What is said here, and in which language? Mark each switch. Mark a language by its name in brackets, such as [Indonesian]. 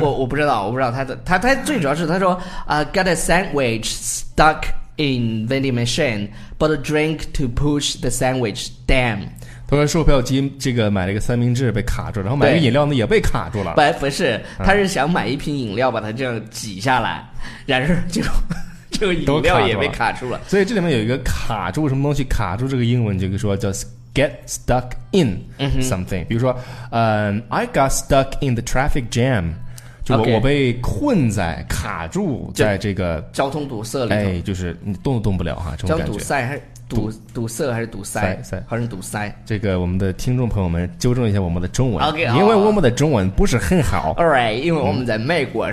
[Chinese] 我不知道他最主要是他说 [English] got a sandwich stuck in vending machine, but a drink to push the sandwich down. [Chinese] 他说售票机这个买了一个三明治被卡住，然后买个饮料呢也被卡住了。不是，他是想买一瓶饮料把它这样挤下来，然而就饮料也被卡住了。所以这里面有一个卡住什么东西，卡住这个英文就是说叫 [English] get stuck in something、 [Chinese] 嗯、比如说 [English] I got stuck in the traffic jam,就 okay, [Chinese] 我被困在卡住在这个交通堵塞里头。哎，就是你动都动不了哈，这种感觉。交堵塞还是堵塞还是堵塞？塞还是堵塞？这个我们的听众朋友们纠正一下我们的中文 [English] okay, [Chinese] 因为我们的中文不是很好。 [English] All right, [Chinese] 因为我们在美国